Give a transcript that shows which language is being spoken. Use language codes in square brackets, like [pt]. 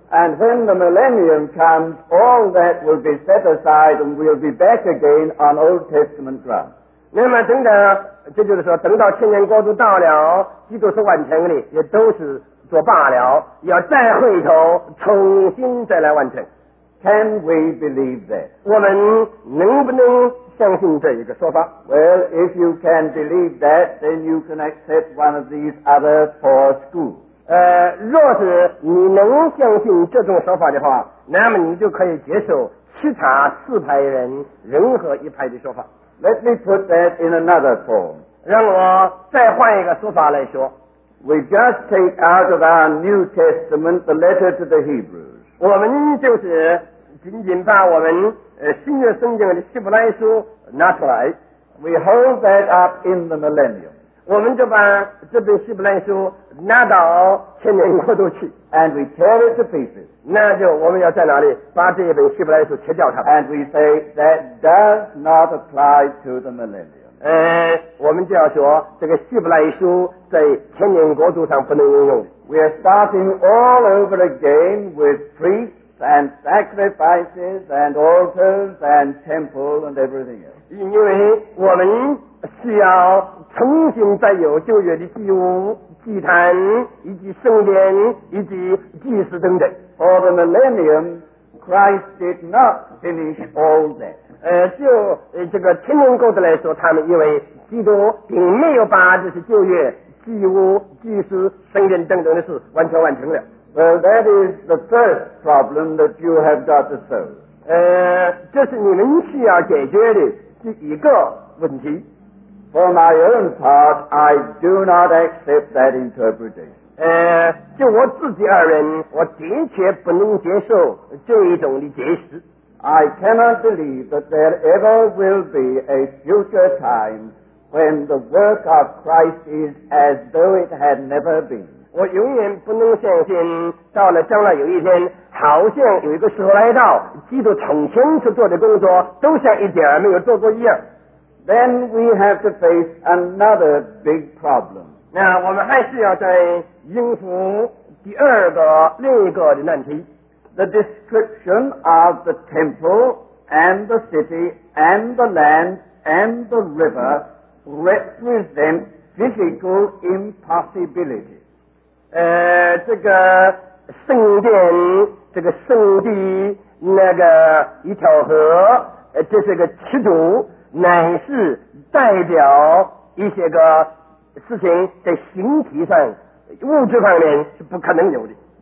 [en] And when the millennium comes, all that will be set aside and will be back again on Old Testament ground. [zh] 那么等等，这就是说，等到千年国度到了，基督是完成的，也都是做罢了，要再回头重新再来完成。 [en] Can we believe that? [zh] 我们能不能相信这一个说法？ [en] Well, if you can believe that, then you can accept one of these other four schools. [zh] 若是你能相信这种说法的话，那么你就可以接受其他四派人任何一派的说法。 [en] Let me put that in another form. [zh] 让我再换一个说法来说。 [en] We just take out of our New Testament the letter to the Hebrews. [zh] 我们就是仅仅把我们新约圣经的希伯来书拿出来。 [en] We hold that up in the millennium. [zh] 我们就把这本希伯来书拿到千年国度去。 [en] And we tear it to pieces. [zh] 那就我们要在哪里把这一本希伯来书切掉它。 [en] And we say that does not apply to the millennium. [zh] 我们就要说这个希伯来书在千年国度上不能应用。 [en] We are starting all over again with priests and sacrifices and altars and temple and everything else. [zh] 因为我们需要重新再有旧约的祭物。祭坛以及圣殿以及祭司等等。 [en] For the millennium, Christ did not finish all that. [zh] 这个千年国度来说，他们以为基督并没有把这些旧约祭物、祭司、圣殿等等的事完全完成了。 [en] Well, that is the first problem that you have got to solve. [zh] 这是你们需要解决的第一个问题。 [en] For my own part, I do not accept that interpretation. [zh] 就我自己而言，我的确不能接受这一种的解释。 [en] I cannot believe that there ever will be a future time when the work of Christ is as though it had never been. [zh] 我永远不能相信，到了将来有一天，好像有一个时候来到，基督从前所做的工作都像一点没有做过一样。 [en] Then we have to face another big problem. [zh] 那我们还是要再应付第二个另一个的难题。 [en] The description of the temple and the city and the land and the river represent physical impossibility. [zh] 这个圣殿，这个圣地，那个一条河，这是个尺度。乃是代表一些个事情在形体上物质方面是不可能有的。